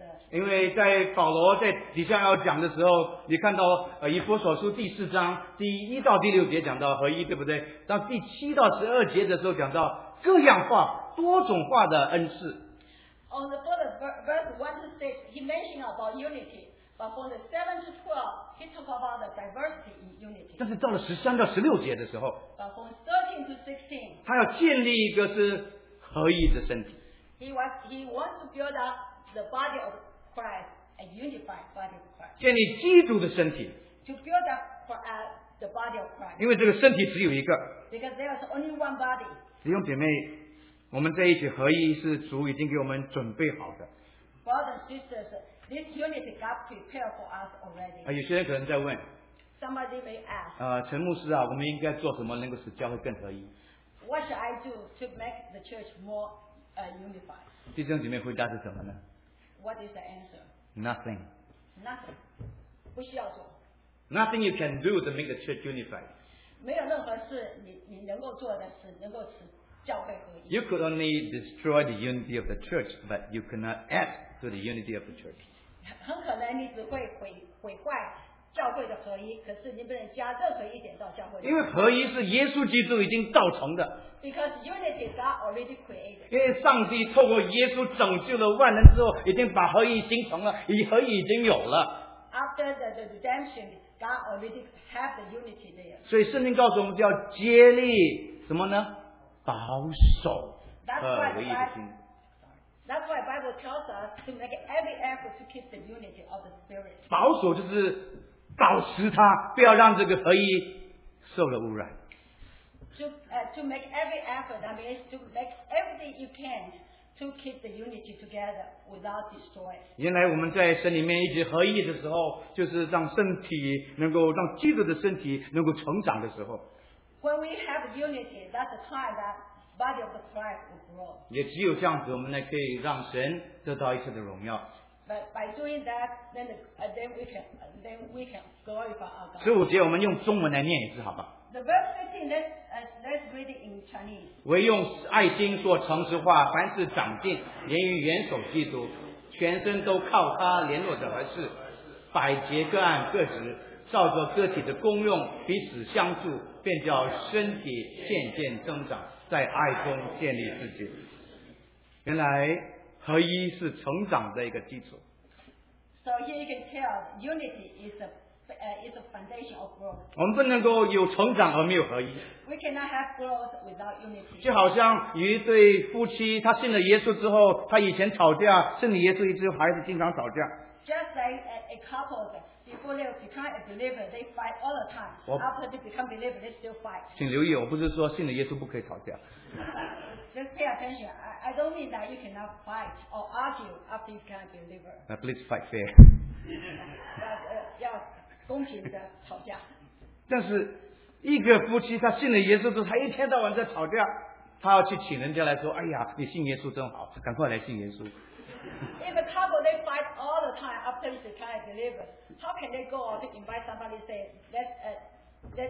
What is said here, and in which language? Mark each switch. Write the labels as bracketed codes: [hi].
[zh] 因为在保罗在底下要讲的时候，你看到以弗所书第四章第一到第六节讲到合一，对不对？到第七到十二节的时候讲到各样化、多种化的恩赐。 [en] On the first verse 1 to 6, he mentioned about unity, but from the 7 to 12, he talked about the diversity in unity. [zh] 但是到了13到16节的时候 [en] ，But from 13 to 16, [zh] 他要建立一个是合一的身体。 [en] He wants to build up the body of Christ, a unified body of Christ. [zh] 建立基督的身体。 [en] To build up for, the body of Christ. [zh] 因为这个身体只有一个。 [en] Because there is only one body. [zh] 弟兄姐妹，我们在一起合一是主已经给我们准备好的。 [en] Brothers and sisters, this unity God prepared for us already. [zh] 有些人可能在问。 [en] Somebody may ask. [zh] 陈牧师啊，我们应该做什么能够使教会更合一？ [en] What should I do to make the church more unified. [zh] 弟兄姐妹回答是什么呢？ [en] What is the answer? Nothing. Nothing. [zh] 不需要做。 [en] Nothing you can do to make the church unified. [zh] 没有任何事你能够做的是能够使教会合一。 [en] You could only destroy the unity of the church, but you cannot add to the unity of the church. [zh] 很可能你只会毁坏教会的合一，可是你不能加任何一点到教会的。因为合一是耶稣基督已经造成的。 [en] Because unity is already created. [zh] 因为上帝透过耶稣拯救了万人之后，已经把合一形成了，以合一已经有了。 [en] After the redemption, God already have the unity there. [zh] 所以圣经告诉我们叫竭力什么呢？保守合一的心。 [en] That's why Bible tells us to make every effort to keep the unity of the spirit. [zh] 保守就是保持它，不要让这个合一受了污染。 [en] To make every effort, that means to make everything you can to keep the unity together without destroy. [zh] 原来我们在神里面一直合一的时候，就是让身体能够让基督的身体能够成长的时候。 [en] When we have unity, that's the time that body of Christ will grow. [zh] 也只有这样子，我们才可以让神得到一切的荣耀。 [en] But by doing that, then we can glorify our God. [zh] 十五节，我们用中文来念一次，好吧？ [en] The verse 15, let's read it in Chinese. [zh] 唯用爱心做诚实话，凡事长进，连于元首基督，全身都靠他联络的合适，百节各按各职，照着个体的功用彼此相助，便叫身体渐渐增长，在爱中建立自己。原来合一是成长的一个基础。 [en] So here you can tell, unity is ais a foundation of growth. [zh] 我们不能够有成长而没有合一。 [en] We cannot have growth without unity. [zh] 就好像有一对夫妻，他信了耶稣之后，他以前吵架，信了耶稣一直还是经常吵架。 [en] Just like a couple before they become a believer, they fight all the time. After they become believer, they still fight. [zh] 请留意，我不是说信了耶稣不可以吵架。 [en] Just pay attention. I don't mean that you cannot fight or argue after you become a believer. But please fight fair. But, [zh] 公平的吵架，但是一个夫妻他信了耶稣之后，他一天到晚在吵架，他要去请人家来说，哎呀，你信耶稣真好，赶快来信耶稣。 [en] If a couple they fight all the time after they become a believer, how can they go to invite somebody say let's